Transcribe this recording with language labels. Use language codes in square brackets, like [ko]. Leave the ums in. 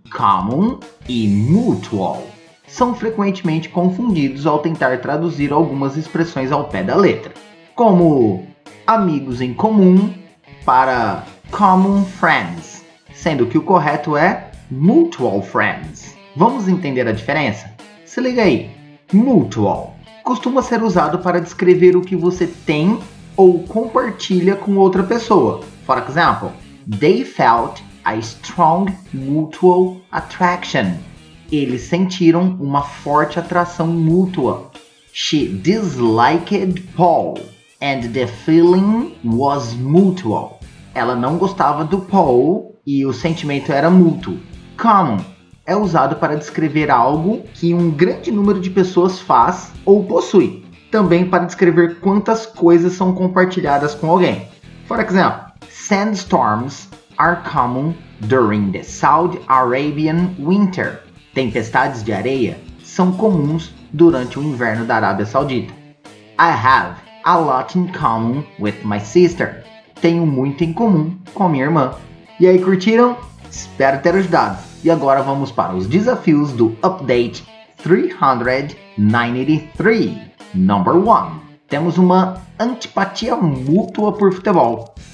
[pt] Common e Mutual são frequentemente confundidos ao tentar traduzir algumas expressões ao pé da letra, como amigos em comum para common friends, sendo que o correto é mutual friends. Vamos entender a diferença? Se liga aí! Mutual costuma ser usado para descrever o que você tem ou compartilha com outra pessoa. [en] For example, they felt a strong mutual attraction. [pt] Eles sentiram uma forte atração mútua. [en] She disliked Paul and the feeling was mutual. [pt] Ela não gostava do Paul e o sentimento era mútuo. Come é usado para descrever algo que um grande número de pessoas faz ou possui. Também para descrever quantas coisas são compartilhadas com alguém. [en] For example, sandstorms are common during the Saudi Arabian winter. [pt] Tempestades de areia são comuns durante o inverno da Arábia Saudita. [en] I have a lot in common with my sister. [pt] Tenho muito em comum com a minha irmã. E aí, curtiram? Espero ter ajudado! E agora vamos para os desafios do Update 393. [en] Number 1. [pt] Temos uma antipatia mútua por futebol.